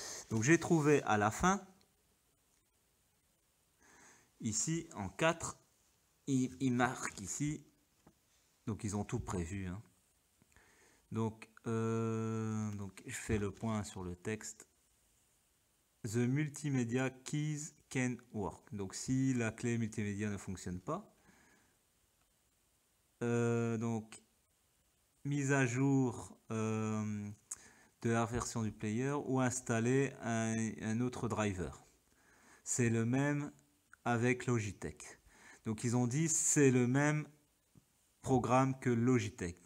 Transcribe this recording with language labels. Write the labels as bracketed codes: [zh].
[fr] Donc j'ai trouvé à la fin, ici en 4, ils marquent ici. Donc ils ont tout prévu. Hein. Donc je fais le point sur le texte. [en] The multimedia keys can work. [fr] Donc si la clé multimédia ne fonctionne pas. Donc mise à jour. De la version du player ou installer un autre driver. C'est le même avec Logitech. Donc ils ont dit c'est le même programme que Logitech.